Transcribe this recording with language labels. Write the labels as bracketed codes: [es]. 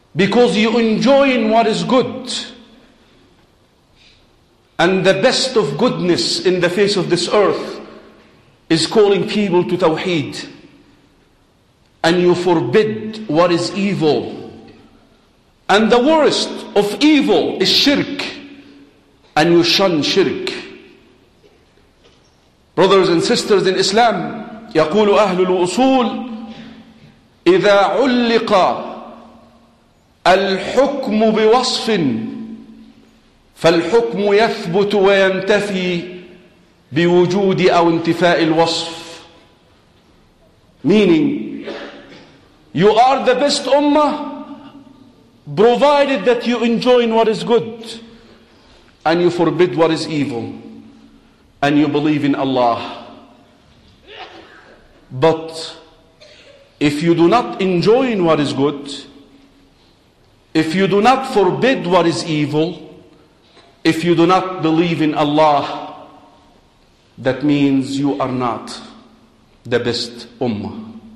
[en] Because you enjoin what is good and the best of goodness in the face of this earth is calling people to Tawheed, and you forbid what is evil, and the worst of evil is shirk, and you shun shirk. Brothers and sisters in Islam, [ar] يقول أهل الأصول إذا علق الحكم بوصف فالحكم يثبت وينتفي بوجود أو انتفاء الوصف. [en] Meaning, you are the best ummah provided that you enjoin what is good and you forbid what is evil and you believe in Allah. But if you do not enjoin what is good, if you do not forbid what is evil, if you do not believe in Allah, that means you are not the best ummah.